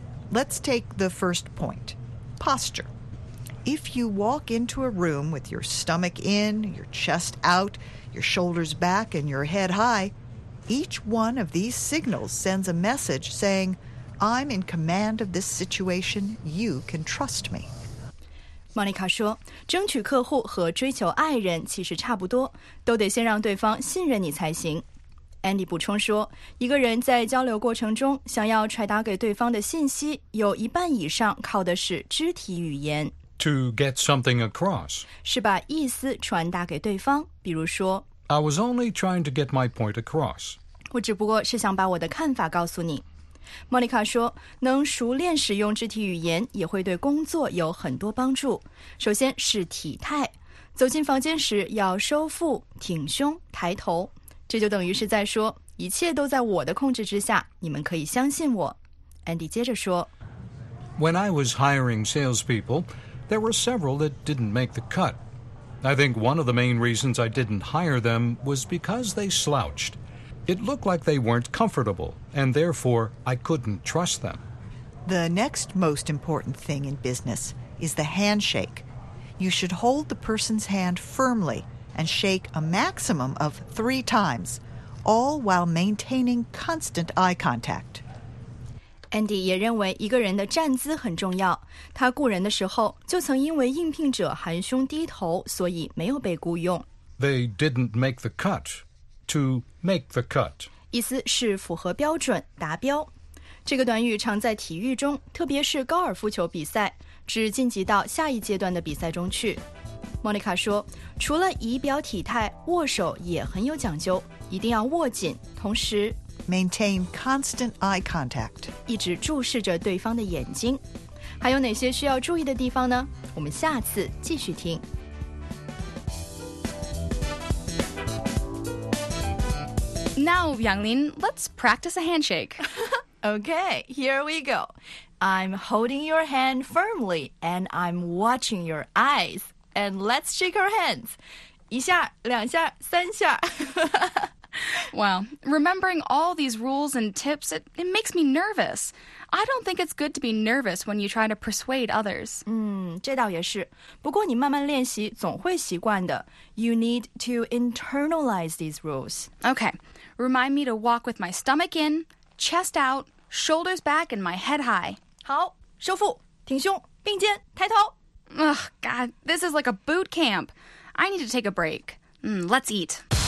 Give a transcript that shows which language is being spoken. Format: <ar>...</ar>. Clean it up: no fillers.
<en>Let's take the first point, posture. If you walk into a room with your stomach in, your chest out, your shoulders back, and your head high,Each one of these signals sends a message saying, I'm in command of this situation. You can trust me.</en> <zh>Monica 说，争取客户和追求爱人其实差不多，都得先让对方信任你才行。 Andy 补充说，一个人在交流过程中想要传达给对方的信息，有一半以上靠的是肢体语言。</zh> <en>To get something across.</en> <zh>是把意思传达给对方，比如说</zh> <en>I was only trying to get my point across.</en> <zh>我只不过是想把我的看法告诉你。Monica 说，能熟练使用肢体语言也会对工作有很多帮助。首先是体态，走进房间时要收腹、挺胸、抬头，这就等于是在说，一切都在我的控制之下，你们可以相信我。 Andy 接着说</zh> <en>When I was hiring salespeople, there were several that didn't make the cut. I think one of the main reasons I didn't hire them was because they slouched. It looked like they weren't comfortable, and therefore I couldn't trust them. The next most important thing in business is the handshake. You should hold the person's hand firmly and shake a maximum of 3 times, all while maintaining constant eye contact.</en> <zh>Andy 也认为一个人的站姿很重要。他雇人的时候就曾因为应聘者含胸低头，所以没有被雇用。</zh> <en>They didn't make the cut. To make the cut.</en> <zh>意思是符合标准、达标。这个短语常在体育中，特别是高尔夫球比赛，指晋级到下一阶段的比赛中去。莫妮卡说，除了仪表体态，握手也很有讲究，一定要握紧，同时</zh> <en>maintain constant eye contact，</en> <zh>一直注视着对方的眼睛。还有哪些需要注意的地方呢？我们下次继续听。</zh> <en>Now, Yanglin, let's practice a handshake. Okay, here we go. I'm holding your hand firmly, and I'm watching your eyes. And let's shake our hands.</en> <zh>一下，两下，三下。</zh> <en>Well, remembering all these rules and tips, it makes me nervous. I don't think it's good to be nervous when you try to persuade others.</en> <zh>这倒也是。不过你慢慢练习总会习惯的。</zh> <en>You need to internalize these rules. Okay, remind me to walk with my stomach in, chest out, shoulders back, and my head high.</en> <zh>好，收腹，挺胸，并肩，抬头。</zh> <en>Ugh, God, this is like a boot camp. I need to take a break. Let's eat.</en>